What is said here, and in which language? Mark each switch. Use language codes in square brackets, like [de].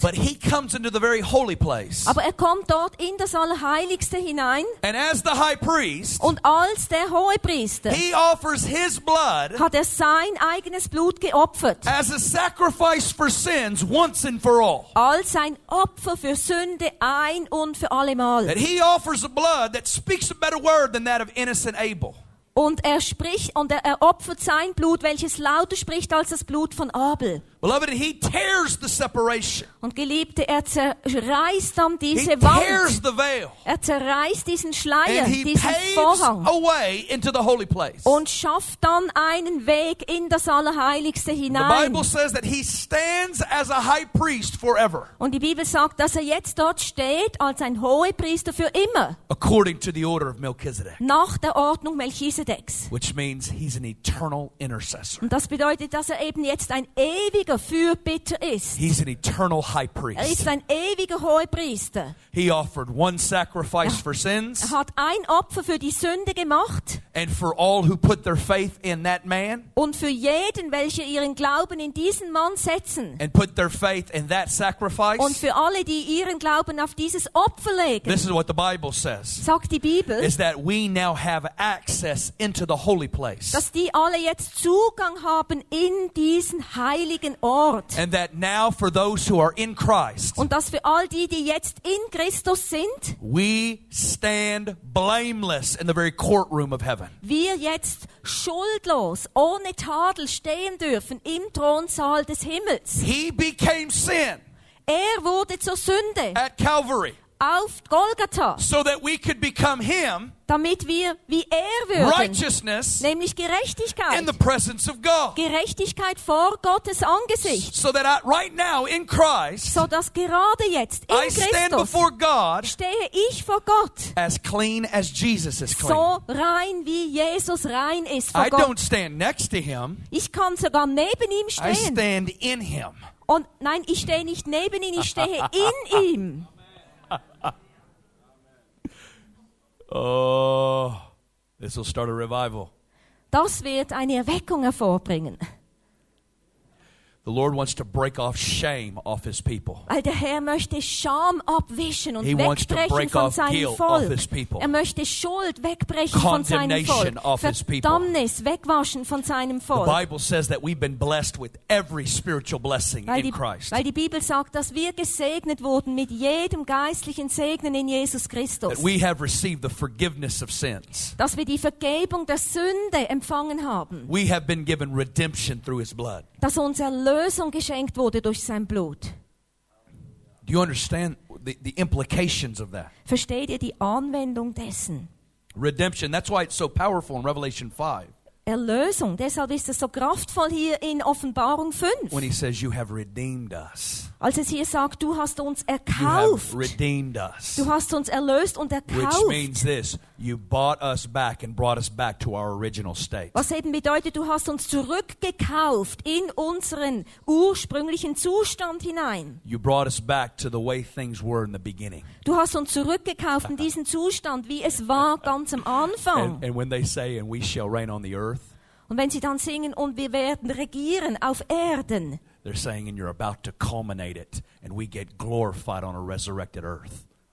[en] But he comes into the very holy place. [de] Aber er kommt dort in das Allerheiligste. Hinein, [en] and as the high priest, [de] und als der hohe Priester, [en] he offers his blood, [de] hat er sein eigenes Blut geopfert, [en] as a sacrifice for sins once and for all, [de] als ein Opfer für Sünde ein und für allemal. [en] That he offers a blood that speaks a better word than that of innocent Abel. [de] Und er spricht und er opfert sein Blut, welches lauter spricht als das Blut von Abel. [en] Beloved, he tears the separation. [de] Und Geliebte, er zerreißt dann diese [en] he [de] Wand. [en] Tears the veil. [de] Er zerreißt diesen Schleier, diesen [en] paves [de] Vorhang. [en] A way into the holy place. [de] Und schafft dann einen Weg in das Allerheiligste hinein. [en] The Bible says that he stands as a high priest forever. [de] Und die Bibel sagt, dass er jetzt dort steht als ein Hohepriester für immer. [en] According to the order of Melchizedek. [de] Nach der Ordnung Melchisedeks. [en] Which means he's an eternal intercessor. [de] Und das bedeutet, dass er eben jetzt ein ewiger Fürbitter ist. [en] He's an eternal high priest. [de] Er ist ein ewiger Hohepriester. [en] He offered one sacrifice for sins. [de] Er hat ein Opfer für die Sünde gemacht. [en] And for all who put their faith in that man. [de] Und für jeden, welche ihren Glauben in diesen Mann setzen. [en] And put their faith in that sacrifice. [de] Und für alle, die ihren Glauben auf dieses Opfer legen. [en] This is what the Bible says. [de] Sagt die Bibel. [en] Is that we now have access into the holy place. [de] Dass die alle jetzt Zugang haben in diesen heiligen Ort. [en] And that now for those who are in Christ, [de] und dass für all die, die jetzt in Christus sind, [en] we stand blameless in the very courtroom of heaven. [de] Wir jetzt schuldlos, ohne Tadel stehen dürfen im Thronsaal des Himmels. [en] He became sin. [de] Er wurde zur Sünde. [en] At Calvary. [de] Auf Golgatha. [en] So that we could become him. [de] Damit wir wie er würden, [en] righteousness, [de] nämlich Gerechtigkeit, [en] in the presence of God, [de] Gerechtigkeit vor Gottes Angesicht, [en] so that I, right now in Christ, [de] so dass gerade jetzt in [en] I [de] Christus, [en] stand before God, [de] stehe ich vor Gott, [en] as clean as Jesus is clean, [de] so rein wie Jesus rein ist vor [en] I [de] Gott. [en] I don't stand next to him. [de] Ich kann sogar neben ihm stehen. [en] I stand in him. [de] Und nein, ich stehe nicht neben ihm. Ich stehe in ihm. [en] Oh, this will start a revival. [de] Das wird eine Erweckung hervorbringen. [en] The Lord wants to break off shame off his people. [de] Weil der Herr möchte Scham abwischen und wegbrechen von seinem Volk. Er möchte Schuld wegbrechen von seinem Volk. Verdammnis wegwaschen von seinem Volk. [en] The Bible says that we've been blessed with every spiritual blessing in Christ. [de] Weil die Bibel sagt, dass wir gesegnet wurden mit jedem geistlichen Segnen in Jesus Christus. [en] That we have received the forgiveness of sins. [de] Dass wir die Vergebung der Sünde empfangen haben. [en] We have been given redemption through his blood. [de] Dass uns Erlösung geschenkt wurde durch sein Blut. [en] Do you understand the implications of that? [de] Versteht ihr die Anwendung dessen? [en] Redemption, that's why it's so powerful in Revelation 5. [de] Erlösung, deshalb ist es so kraftvoll hier in Offenbarung 5. [en] When he says, you have redeemed us. [de] Als es hier sagt, du hast uns erkauft. [en] You have redeemed us. [de] Du hast uns erlöst und erkauft. [en] Which means this, you bought us back and brought us back to our original state. [de] Was eben bedeutet, du hast uns zurückgekauft in unseren ursprünglichen Zustand hinein. [en] You brought us back to the way things were in the beginning. [de] Du hast uns zurückgekauft in diesen Zustand, wie es war ganz am Anfang. [en] And when they say, and we shall reign on the earth. [de] Und wenn sie dann singen, und wir werden regieren auf Erden. [en] They're saying, and you're about to culminate it, and we get glorified on a resurrected earth.